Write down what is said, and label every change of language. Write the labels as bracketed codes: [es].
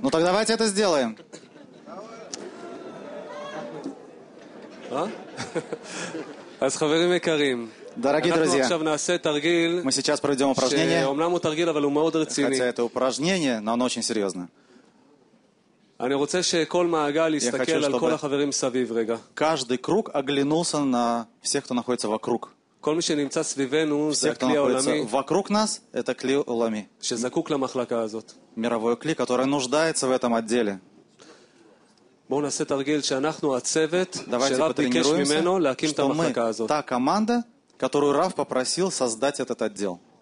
[ru] Ну так давайте это сделаем. [he] אז חברים יקרים. [ru] Дорогие друзья, [he] תרגיל, [ru] мы сейчас проведем упражнение, [he] תרגיל, [ru] хотя это упражнение, но оно очень серьезное. [he] אני רוצה שכל מעגל יסתכל על כל החברים סביב, רגע. [ru] Каждый круг оглянулся на всех, кто находится вокруг. [he] כל מי שנמצא סביבנו, [ru] все, кто находится вокруг нас, это [he] кли улами. שזקוק למחלקה הזאת. [ru] Мировой кли, который нуждается в этом отделе. [he] בואו נעשה תרגיל שאנחנו הצוות, שרב ביקש ממנו להקים את המחלקה הזאת. [ru] Та команда, которую Рав попросил создать этот отдел.